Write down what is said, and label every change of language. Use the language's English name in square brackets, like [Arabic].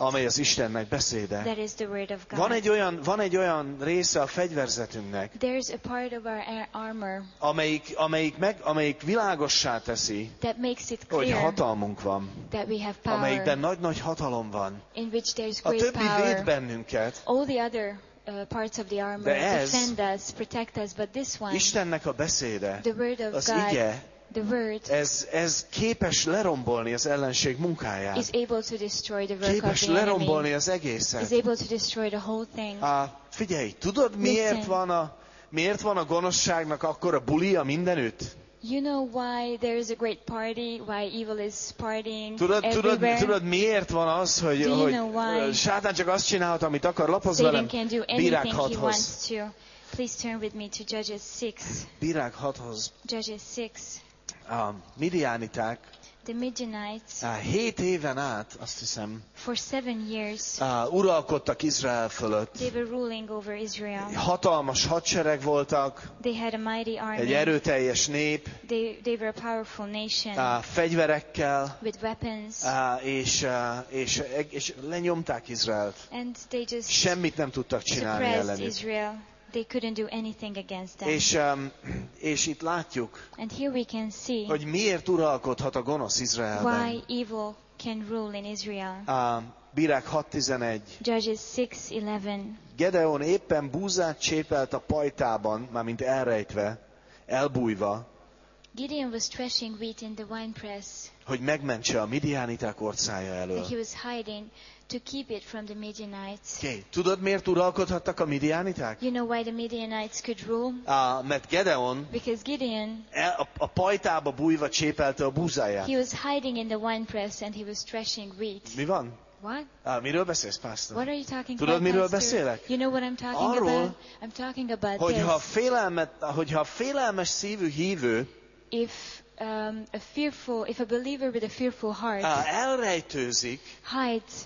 [Hungarian] Amely az Istennek beszéde. [English] That is the word of God. [Hungarian] Van egy olyan része a fegyverzetünknek. [English] There is a part of our armor. [Hungarian] Amelyik világossá teszi. [English] That makes it clear. [Hungarian] Hogy hatalmunk van. [English] That we have power. [Hungarian] Amelyikben nagy-nagy hatalom van. [English] In which there is great power. [Hungarian] A többi véd bennünket. [English] All the other parts of the armor defend us, protect us, but this one, [Hungarian] Istennek a beszéde, [English] the word of [Hungarian] az [English] God, [Hungarian] ige, [English] the word, [Hungarian] ez képes lerombolni az ellenség munkáját. [English] Is able to destroy the work [Hungarian] képes [English] of the [Hungarian] lerombolni [English] enemy, [Hungarian] az egészet. [English] Is able to destroy the whole thing. [Hungarian] Figyelj, tudod, miért van a gonoszságnak akkora bulia mindenütt? [English] You know why there is a great party, why evil is partying everywhere? [Hungarian] Tudod, miért van az, hogy [English] do you [Hungarian] hogy [English] know why? [Hungarian] Sátán csak azt csinálhat, amit akar, lapoz velem. [English] Satan can do anything he wants to. Please turn with me to Judges 6. [Hungarian] Bírák 6-hoz. [English] Judges 6. [Hungarian] A Midianiták. [English] The Midianites. [Hungarian] 7 éven át, azt hiszem. [English] For 7 years. [Hungarian] Uralkodtak Izrael fölött. [English] They were ruling over Israel. [Hungarian] Hatalmas hadsereg voltak. [English] They had a mighty army. [Hungarian] Egy erőteljes nép. [English] They were a powerful nation. [Hungarian] Fegyverekkel. [English] With weapons. [Hungarian] És lenyomták Izraelt. [English] And they just [Hungarian] semmit nem tudtak csinálni ellenük. [English] Israel. They couldn't do anything against them. [Hungarian] És itt látjuk, [English] and here we can see, [Hungarian] hogy miért uralkodhat a gonosz Izraelben. [English] Why evil can rule in Israel? [Hungarian] Bírák 6:11. [English] Judges 6:11. [Hungarian] Gedeon éppen búzát csépelt a pajtában, mármint elrejtve, elbújva. [English] Gideon was threshing wheat in the winepress. [Hungarian] Hogy megmentse a midianiták orcája elől. [English] He was hiding to keep it from the Midianites. Okay. [Hungarian] Tudod, miért uralkodhattak a midianiták? [English] You know why the Midianites could rule? [Hungarian] Mert Gedeon. [English] Because Gideon. [Hungarian] A pajtába bújva csépelte a búzáját. [English] He was hiding in the winepress and he was threshing wheat. [Hungarian] Mi van? [English] What? [Hungarian] Miről beszélsz, pásztor? [English] What are you talking [Hungarian] tudod, [English] about, [Hungarian] miről [English] pastor? [Hungarian] Beszélek? [English] You know what I'm talking [Hungarian] arról, [English] about? I'm talking about [Hungarian] hogyha [English] this. [Hungarian] Hogyha félelmes szívű hívő. [English] If a believer with a fearful heart [Hungarian] elrejtőzik, [English] hides,